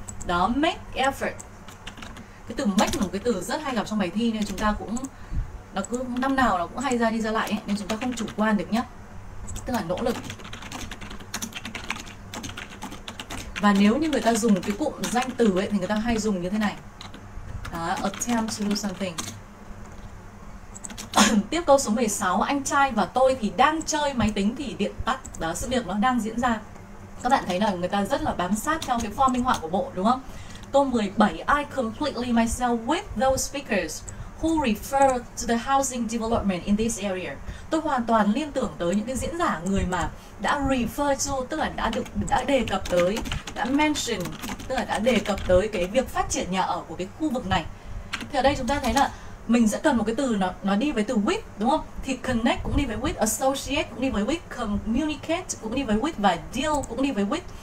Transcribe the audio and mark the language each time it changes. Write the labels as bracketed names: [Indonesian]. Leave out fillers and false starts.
[Vietnamese] Đó, [English] make effort. [Vietnamese] Cái từ make là một cái từ rất hay gặp trong bài thi, nên chúng ta cũng nó cứ năm nào nó cũng hay ra đi ra lại ấy, nên chúng ta không chủ quan được nhé. Tức là nỗ lực. Và nếu như người ta dùng cái cụm danh từ ấy thì người ta hay dùng như thế này. Đó, [English] attempt to do something. [Vietnamese] Tiếp câu số 16, anh trai và tôi thì đang chơi máy tính thì điện tắt. Đó, sự việc nó đang diễn ra. Các bạn thấy là người ta rất là bám sát theo cái form minh họa của bộ đúng không? Câu 17, [English] I completely myself with those speakers who refer to the housing development in this area. [Vietnamese] Tôi hoàn toàn liên tưởng tới những cái diễn giả người mà đã [English] refer to, [Vietnamese] tức là đã đề cập tới, đã mention, tức là đã đề cập tới cái việc phát triển nhà ở của cái khu vực này. Thì ở đây chúng ta thấy là mình sẽ cần một cái từ nó đi với từ with đúng không? Thì connect cũng đi với with, associate cũng đi với with, communicate cũng đi với with và deal cũng đi với with.